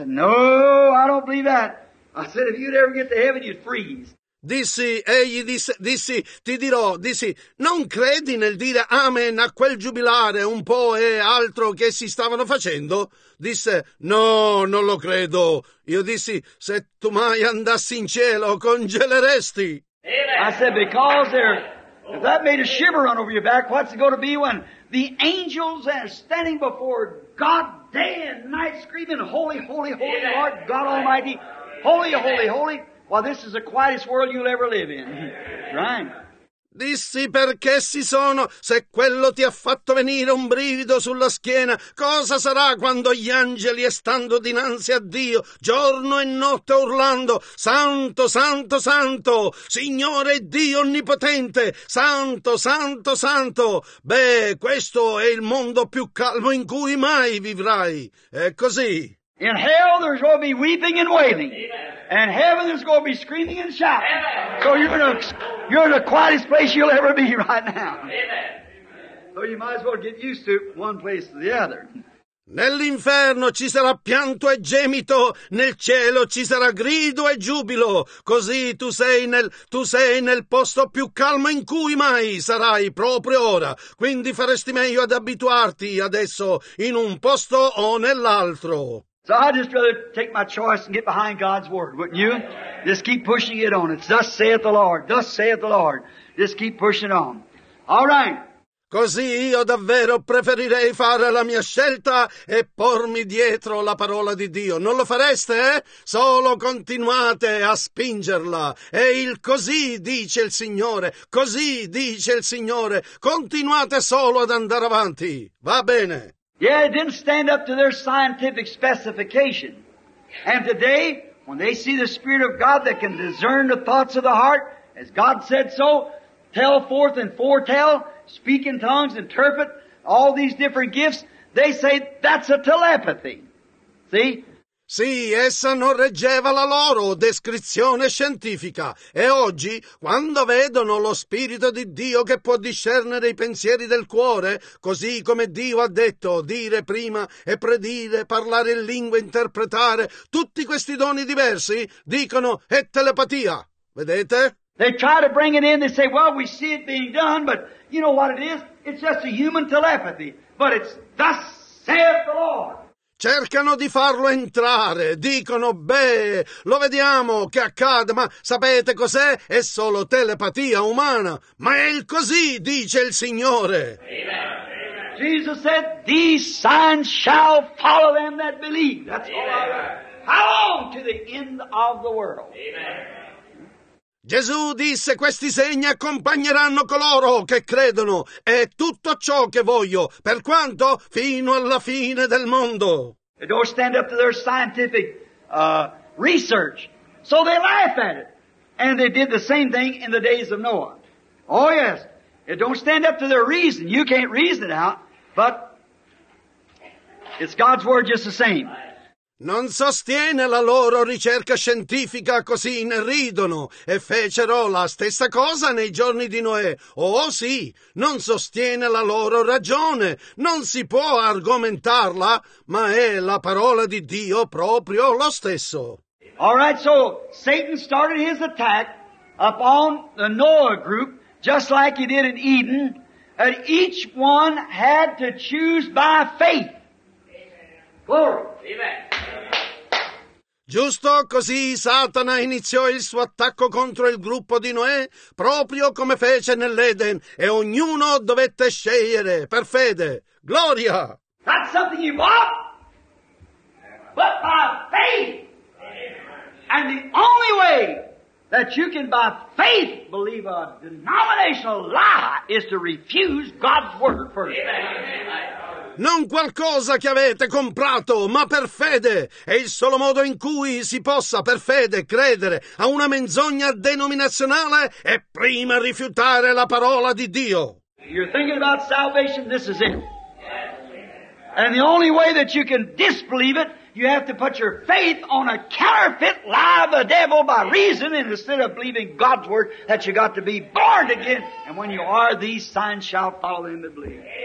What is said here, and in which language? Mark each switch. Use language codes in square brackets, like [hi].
[en] Said, no, I don't believe that. I said, if you'd ever get to heaven, you'd freeze. [it] Dissi, egli disse, dissi, ti dirò, dissi, non credi nel dire amen a quel giubilare un po' e altro che si stavano facendo? Disse, no, non lo credo. Io dissi, se tu mai andassi in cielo, congeleresti. [en] I said, because there, if that made a shiver run over your back, what's it going to be when the angels are standing before God? Day and night screaming, holy, holy, holy, amen. Lord God Almighty, holy, amen. Holy, holy, well, this is the quietest world you'll ever live in. Right. [it] Dissi perché si sono, se quello ti ha fatto venire un brivido sulla schiena, cosa sarà quando gli angeli estando dinanzi a Dio, giorno e notte urlando, santo, santo, santo, Signore Dio Onnipotente, santo, santo, santo, beh, questo è il mondo più calmo in cui mai vivrai, è così. [en] In hell there's going to be weeping and wailing. And heaven there's going to be screaming and shouting. So you're in the quietest place you'll ever be right now. So you might as well get used to one place to the other. [it] Nell'inferno ci sarà pianto e gemito, nel cielo ci sarà grido e giubilo. Così tu sei nel posto più calmo in cui mai sarai proprio ora. Quindi faresti meglio ad abituarti adesso in un posto o nell'altro. [en] So I'd just rather take my choice and get behind God's word, wouldn't you? Just keep pushing it on. It's thus saith the Lord, thus saith the Lord. Just keep pushing on. All right. [it] Così io davvero preferirei fare la mia scelta e pormi dietro la parola di Dio. Non lo fareste, eh? Solo continuate a spingerla. E il così dice il Signore, così dice il Signore. Continuate solo ad andare avanti. Va bene. [en] Yeah, it didn't stand up to their scientific specification. And today, when they see the Spirit of God that can discern the thoughts of the heart, as God said so, tell forth and foretell, speak in tongues, interpret, all these different gifts, they say, that's a telepathy. See? [it] Sì, essa non reggeva la loro descrizione scientifica. E oggi, quando vedono lo Spirito di Dio che può discernere i pensieri del cuore, così come Dio ha detto, dire prima e predire, parlare in lingua, interpretare, tutti questi doni diversi, dicono, è telepatia. Vedete? [en] They try to bring it in, they say, well, we see it being done, but you know what it is? It's just a human telepathy. But it's, thus saith the Lord. [it] Cercano di farlo entrare, dicono, beh, lo vediamo che accade, ma sapete cos'è? È solo telepatia umana, ma è il così, dice il Signore. [en] Amen. Jesus said, these signs shall follow them that believe. That's all I heard. How long? To the end of the world. Amen. [it] Gesù disse, questi segni accompagneranno coloro che credono, è tutto ciò che voglio, per quanto fino alla fine del mondo. [en] They don't stand up to their scientific research, so they laugh at it. And they did the same thing in the days of Noah. Oh yes, It don't stand up to their reason. You can't reason it out, but it's God's word just the same. [it] Non sostiene la loro ricerca scientifica, così inridono e fecero la stessa cosa nei giorni di Noè. Oh sì, non sostiene la loro ragione, non si può argomentarla, ma è la parola di Dio proprio lo stesso. [en] All right, so Satan started his attack upon the Noah group, just like he did in Eden, and each one had to choose by faith. [it] Giusto così Satana iniziò il suo attacco contro il gruppo di Noè, proprio come fece nell'Eden, e ognuno dovette scegliere per fede. Gloria! [en] Not something you want, but by faith. And the only way that you can by faith believe a denominational lie is to refuse God's word first. Amen. [it] Non qualcosa che avete comprato, ma per fede. È il solo modo in cui si possa, per fede, credere a una menzogna denominazionale e prima rifiutare la parola di Dio. [en] You're thinking about salvation, this is it. And the only way that you can disbelieve it, you have to put your faith on a counterfeit lie of the devil by reason, and instead of believing God's word, that you got to be born again. And when you are, these signs shall follow them that believe.